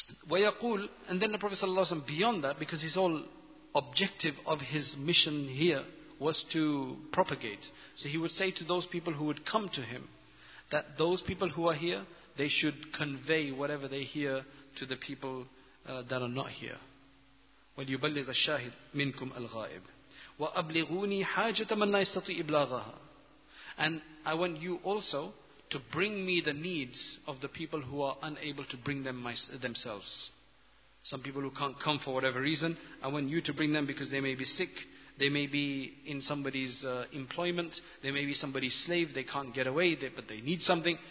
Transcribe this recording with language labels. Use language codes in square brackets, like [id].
[ar] ويقول, [en] and then the Prophet ﷺ, beyond that, because his whole objective of his mission here was to propagate, so he would say to those people who would come to him that those people who are here, they should convey whatever they hear to the people that are not here. [ar] وليبلغ الشاهد منكم الغائب وأبلغوني حاجة من لا يستطيع إبلاغها. [en] And I want you also to bring me the needs of the people who are unable to bring them themselves. Some people who can't come for whatever reason, I want you to bring them, because they may be sick, they may be in somebody's employment, they may be somebody's slave, they can't get away, but they need something.